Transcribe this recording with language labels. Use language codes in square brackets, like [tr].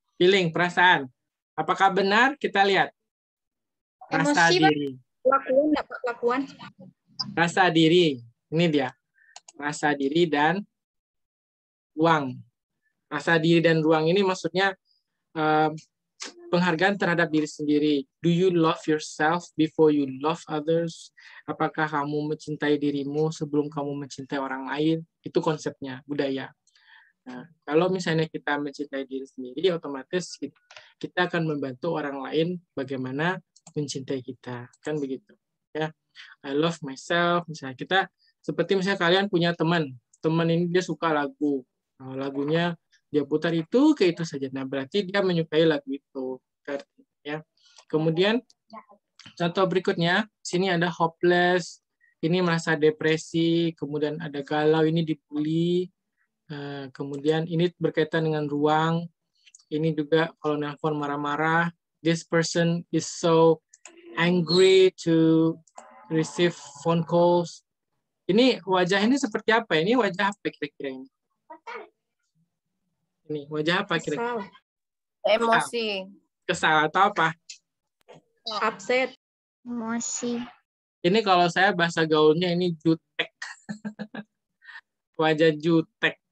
[id] Feeling, perasaan. Apakah benar? Kita lihat. Rasa emosi, diri. Kelakuan. Rasa diri. Ini dia. Rasa diri dan ruang. Rasa diri dan ruang ini maksudnya penghargaan terhadap diri sendiri. [en] Do you love yourself before you love others? [id] Apakah kamu mencintai dirimu sebelum kamu mencintai orang lain? Itu konsepnya, budaya. Nah, kalau misalnya kita mencintai diri sendiri, otomatis kita akan membantu orang lain bagaimana mencintai kita, kan begitu. Ya, [en] I love myself. [id] Misalnya kita, seperti misalnya kalian punya teman, teman ini dia suka lagu, lagunya dia putar itu ke itu saja. Nah, berarti dia menyukai lagu itu. Ya. Kemudian contoh berikutnya, sini ada hopeless, ini merasa depresi, kemudian ada galau, ini dibully, kemudian ini berkaitan dengan ruang, ini juga kalau nelfon marah-marah. [en] This person is so angry to receive phone calls. [id] Ini wajah ini seperti apa? Ini wajah apa kira-kira ini? Ini wajah apa kira-kira? Kesal. Emosi. Kesal atau apa? [en] Upset. [id] Emosi. Ini kalau saya bahasa gaulnya ini jutek. Wajah jutek.